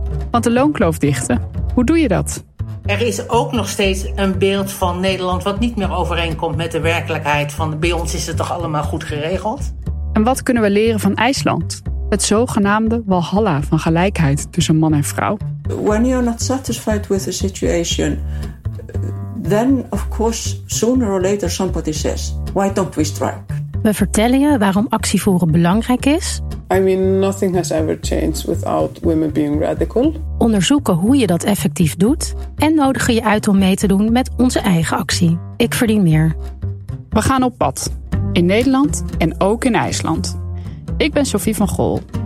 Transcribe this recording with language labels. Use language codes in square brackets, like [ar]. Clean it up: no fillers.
[nl] Want de loonkloof dichten, hoe doe je dat? Er is ook nog steeds een beeld van Nederland wat niet meer overeenkomt met de werkelijkheid van bij ons is het toch allemaal goed geregeld? En wat kunnen we leren van IJsland? Het zogenaamde Walhalla van gelijkheid tussen man en vrouw. [en] When you're not satisfied with the situation, then of course sooner or later somebody says, why don't we strike? [nl] We vertellen je waarom actie voeren belangrijk is. [en] I mean, nothing has ever changed without women being radical. [nl] Onderzoeken hoe je dat effectief doet en nodigen je uit om mee te doen met onze eigen actie. Ik verdien meer. We gaan op pad. In Nederland en ook in IJsland. Ik ben Sophie van Gol.